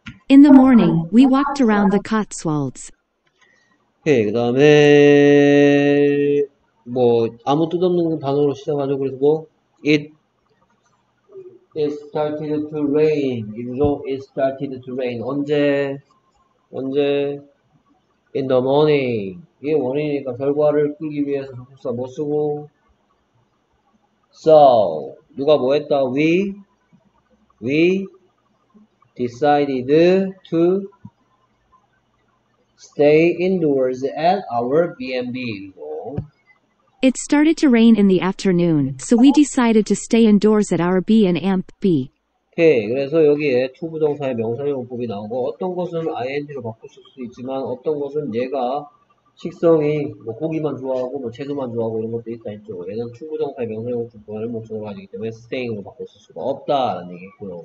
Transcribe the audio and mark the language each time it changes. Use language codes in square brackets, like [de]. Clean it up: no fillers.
[en] In the morning, we walked around the Cotswolds. [ko] 오케이. 그다음에 뭐 아무 뜻 없는 단어로 시작하죠. 그리고 [en] it started to rain. [ko] 언제? [en] In the morning. [ko] 이게 원인이니까 결과를 끌기 위해서 접속사 뭐 쓰고. So 누가 뭐 했다? [en] We decided to stay indoors at our B&B. It started to rain in the afternoon, so we decided to stay indoors at our B&B. [ko] 오케이. 그래서 여기에 to 부정사의 명사용법이 나오고, 어떤 것은 ing로 바꿀 수 있지만, 어떤 것은 얘가 식성이 뭐 고기만 좋아하고, 뭐 채소만 좋아하고 이런 것도 있다 했죠. 얘는 to 부정사의 명사용법을 목적으로 가지기 때문에 staying으로 바꿀 수가 없다라는 얘기고요.